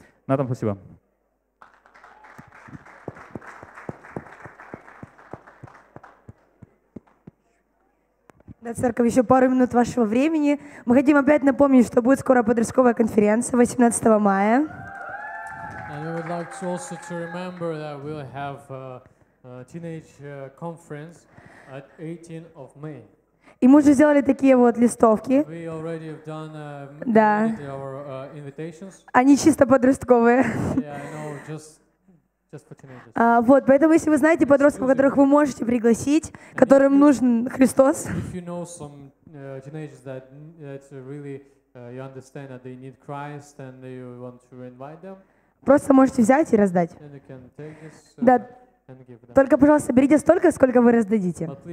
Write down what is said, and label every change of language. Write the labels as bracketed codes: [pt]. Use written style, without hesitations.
[ru] На этом спасибо. Да, церковь, еще пару минут вашего времени. Мы хотим опять напомнить, что будет скоро подростковая конференция 18 мая. [en] And we would like to also to remember that we'll have a teenage conference at 18 of May. [ru] И мы уже сделали такие вот листовки. [en] We already have done [ru] да. [en] our invitations. [ru] Они чисто подростковые. [en] Yeah, I know, just for teenagers. [ru] Вот, поэтому если вы знаете подростков, которых вы можете пригласить, and которым нужен Христос. [en] If you know some teenagers that really you understand that they need Christ and they want to invite them. [ru] Просто можете взять и раздать. Да. Только, пожалуйста, берите столько, сколько вы раздадите.